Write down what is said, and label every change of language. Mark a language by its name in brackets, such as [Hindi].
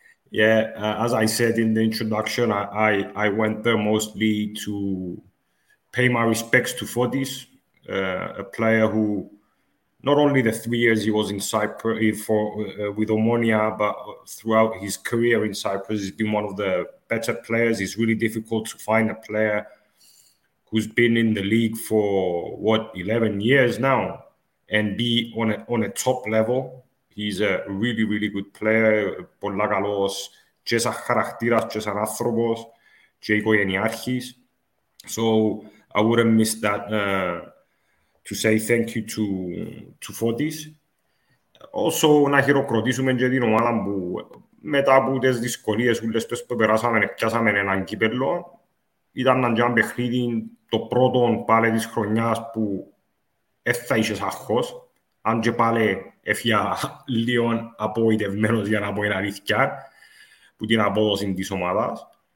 [English] Yeah, as I said in the introduction, I went there mostly to pay my respects to Fotis, a player who, not only the 3 years he was in Cyprus with Omonoia, but throughout his career in Cyprus, he's been one of the better players. It's really difficult to find a player who's been in the league for, 11 years now, and be on a top level. He's a really, really good player. [Greek] Πολλά καλός, και σαν χαρακτήρας, και σαν άνθρωπος, και οικογενειάρχης. [English] So I wouldn't miss that to say thank you to Fotis. Also, [Greek] να χειροκροτήσουμε και την ομάδα που μετά από τις δυσκολίες ούλες που περάσαμε, πιάσαμε έναν κύπελλο. Ήταν ένα παιχνίδι το πρώτο πάλι της χρονιάς που θα είσαι σαχός, αν και πάλι έφυγα λίγο απογοητευμένος, για να πω είναι αλήθεια, που την απόδοση της ομάδας.